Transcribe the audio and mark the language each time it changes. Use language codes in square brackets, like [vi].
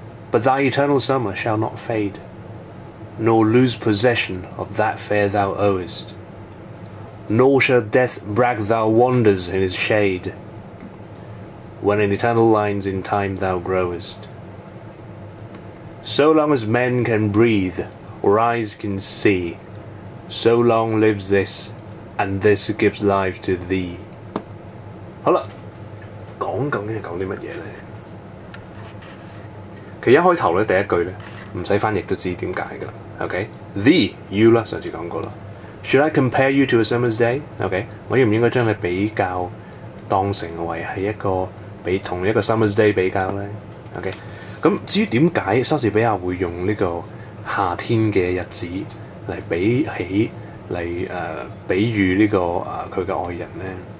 [en] But thy eternal summer shall not fade, nor lose possession of that fair thou owest, nor shall death brag thou wanders in his shade, when in eternal lines in time thou growest. So long as men can breathe, or eyes can see, so long lives this, and this gives life to thee. [yue] 好了，講究竟係講啲乜嘢咧？其實一開頭咧，第一句咧，唔使翻譯都知點解噶啦。OK， [en] the you [yue] 啦，上次講過啦。 [en] Should I compare you to a summer's day？OK，、okay? [yue] 我應唔應該將你比較當成為係一個比同一個 [en] summer's day [yue] 比較咧 ？OK， 咁至於點解莎士比亞會用呢個夏天嘅日子嚟比起嚟比喻呢、這個佢嘅愛人咧？